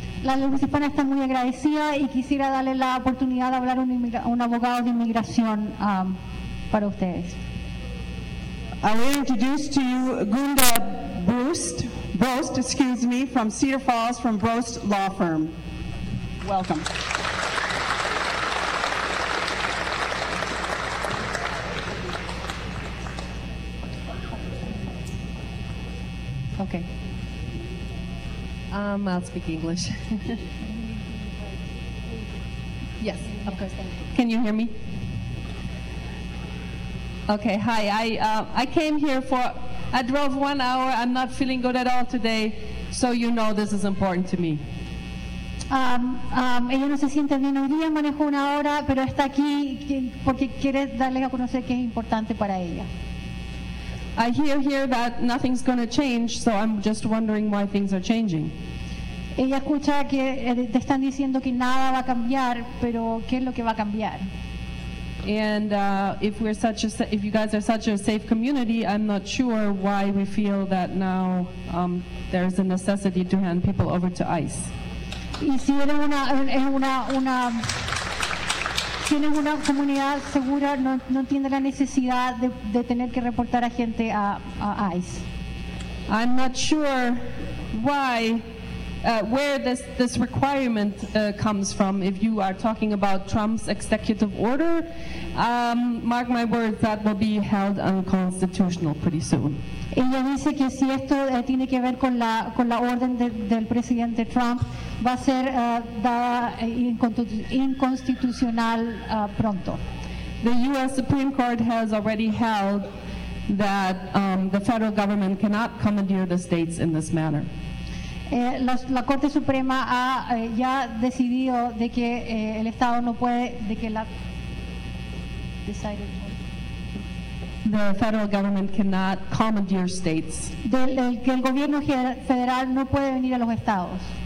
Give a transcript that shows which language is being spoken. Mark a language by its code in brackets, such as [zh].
[es] La Luz Hispana está muy agradecida y quisiera darle la oportunidad de hablar a un abogado de inmigración para ustedes. [en] I will introduce to you Gunda Brost, excuse me, from Cedar Falls, from Brost Law Firm. Welcome. Okay. I'll speak English. Yes, of course. Can you hear me? Okay, hi. I drove 1 hour. I'm not feeling good at all today, so you know this is important to me. [es] Ella no se siente bien hoy día, manejó 1 hora, pero está aquí porque quiere darle a conocer que es importante para ella. [en] I hear here that nothing's going to change, so I'm just wondering why things are changing. [es] Ella escucha que te están diciendo que nada va a cambiar, pero ¿qué es lo que va a cambiar? [en] And if you guys are such a safe community, I'm not sure why we feel that now there's a necessity to hand people over to ICE. [es] Y si eres una tienes una comunidad segura, no entiende la necesidad de tener que reportar a gente a ICE. [en] I'm not sure why. Where this requirement comes from, if you are talking about Trump's executive order, mark my words, that will be held unconstitutional pretty soon. [es] Ella dice que si esto tiene que ver con la orden del presidente Trump, va a ser dada inconstitucional pronto. [en] The U.S. Supreme Court has already held that the federal government cannot commandeer the states in this manner. [es] La Corte Suprema ha ya decidido de que el Estado no puede, de que la [en] the federal government cannot commandeer states. [es] Que el gobierno federal no puede venir a los estados.